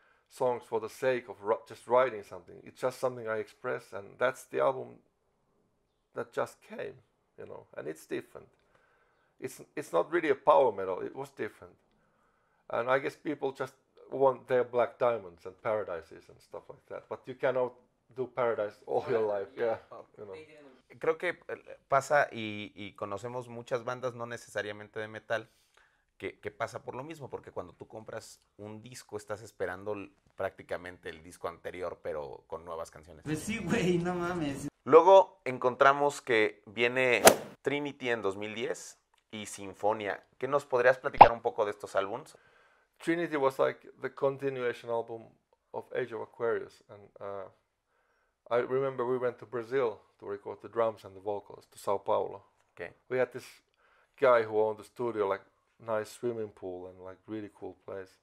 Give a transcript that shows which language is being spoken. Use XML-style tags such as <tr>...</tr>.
<en>songs for the sake of just writing something. It's just something I express, and that's the album that just came, you know. And it's different. It's not really a power metal. It was different. And I guess people just want their Black Diamonds and Paradises and stuff like that. But you cannot do Paradise all your life. Yeah, you know.</en> <es>Creo que pasa y conocemos muchas bandas, no necesariamente de metal, que pasa por lo mismo, porque cuando tú compras un disco, estás esperando prácticamente el disco anterior, pero con nuevas canciones. Pues sí, güey, no mames. Luego encontramos que viene Trinity en 2010 y Sinfonia. ¿Qué nos podrías platicar un poco de estos álbumes?</es> <en>Trinity was like the continuation album of Age of Aquarius. And I remember we went to Brazil to record the drums and the vocals to Sao Paulo. Okay. We had this guy who owned the studio, like, nice swimming pool and like really cool place.</en>